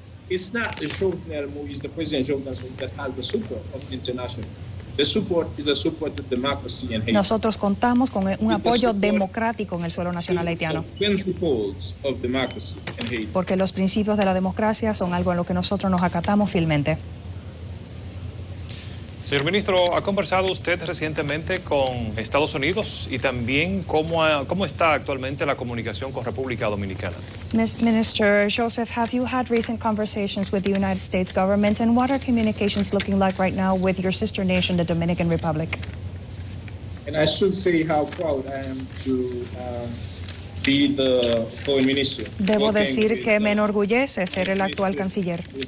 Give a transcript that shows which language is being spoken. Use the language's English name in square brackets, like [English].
[English] It's not Jovenel Moïse, the president Jovenel Moïse, that has the support of the international. The support is a support of democracy in Haiti. [Spanish] Nosotros contamos con un apoyo democrático en el suelo nacional haitiano. [English] Principles of democracy in Haiti. [Spanish] Porque los principios de la democracia son algo en lo que nosotros nos acatamos fielmente. Señor ministro, ¿ha conversado usted recientemente con Estados Unidos y también cómo está actualmente la comunicación con República Dominicana? [English] Minister Joseph, have you had recent conversations with the United States government and what are communications looking like right now with your sister nation, the Dominican Republic? And I should say how proud I am to be the foreign minister. [Spanish] Debo decir que me enorgullece ser el actual canciller.